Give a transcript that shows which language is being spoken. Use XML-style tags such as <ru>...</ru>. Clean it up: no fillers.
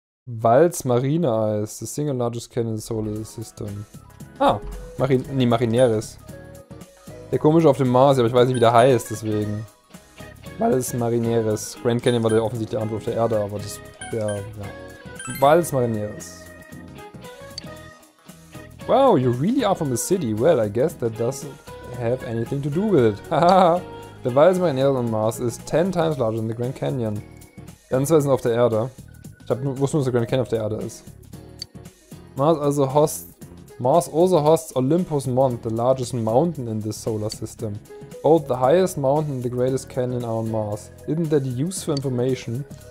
<en>Walz Marine Eis, the single largest canyon solar system.</en> <de>Ah, Marineris. Der komische auf dem Mars, aber ich weiß nicht, wie der heißt, deswegen. Walz Marineris. Grand Canyon war der offensichtliche Antwort auf der Erde, aber das wäre, ja. Walz Marineris.</de> <en>Wow, you really are from the city. Well, I guess that doesn't have anything to do with it. Hahaha. The Walz Marineris on Mars is 10 times larger than the Grand Canyon.</en> <de>Ganz weit sind auf der Erde. Ich hab, wusste nur, dass der Grand Canyon auf der Erde ist.</de> <en>Mars also hosts Olympus Mont, the largest mountain in this solar system. Both the highest mountain and the greatest canyon are on Mars. Isn't that useful information?</en>